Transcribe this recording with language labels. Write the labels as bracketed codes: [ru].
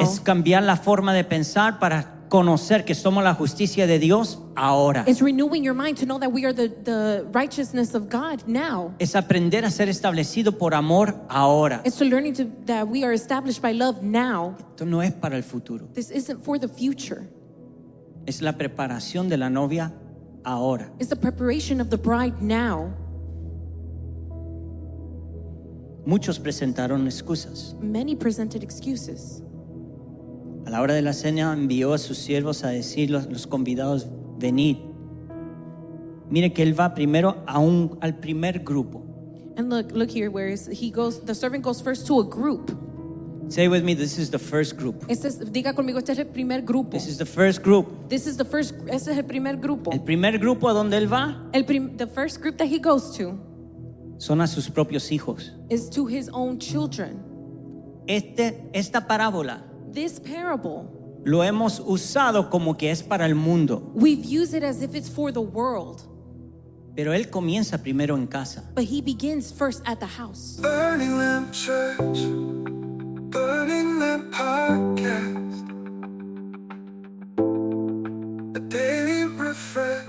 [es] Es cambiar la forma de pensar para conocer que somos la justicia de Dios ahora. [en] It's renewing your mind to know that we are the righteousness of God now. [es] Es aprender a ser establecido por amor ahora. [en] It's to learning to, that we are established by love now. [es] Esto no es para el futuro. [en] This isn't for the future. [es] Es la preparación de la novia ahora. [en] It's the preparation of the bride now. [es] Muchos presentaron excusas. [en] Many presented excuses. [es] A la hora de la cena envió a sus siervos a decir los convidados, venid. Mire que él va primero al primer grupo. [en] And look here, where is he goes, the servant goes first to a group. Say with me, this is the first group. [es] Diga conmigo, este es el primer grupo. [en] This is the first group. This is the first, [es] este es el primer grupo. El primer grupo a donde él va. [en] The first group that he goes to. [es] Son a sus propios hijos. [en] Is to his own children. [es] Esta parábola. [en] This parable, [es] lo hemos usado como que es para el mundo. [en] We've used it as if it's for the world. [es] Pero él comienza primero en casa. [en] But he begins first at the house. Burning Lamp Church, Burning Lamp Podcast, a daily refresh.